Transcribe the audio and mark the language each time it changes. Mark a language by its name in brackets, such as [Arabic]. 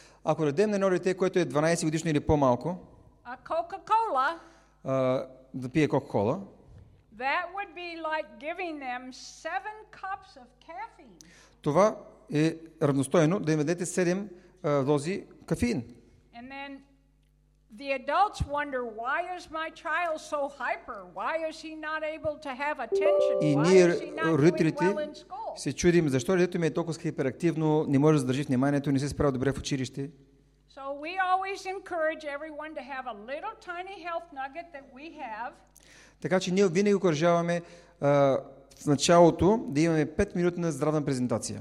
[Bulgarian] Ако дадем на едно дете, което е 12 годишно или по-малко, [English] a Coca-Cola, [Bulgarian] да пие Coca-Cola, [English] that would be like giving them 7 cups of caffeine. [Bulgarian] Това е равностойно да им дадете 7 дози кафеин. [English] And then the adults wonder, why is my child so hyper? Why is he not able to have attention? Why is he not doing well in school? [Bulgarian] Се чудим, защо детето ми е толкова хиперактивно, не може да задържи вниманието, не се справя добре в училище. [English] So we always encourage everyone to have a little tiny health nugget that we have. [Bulgarian] Така че ние винаги окуражаваме в началото да имаме 5 минути на здравна презентация.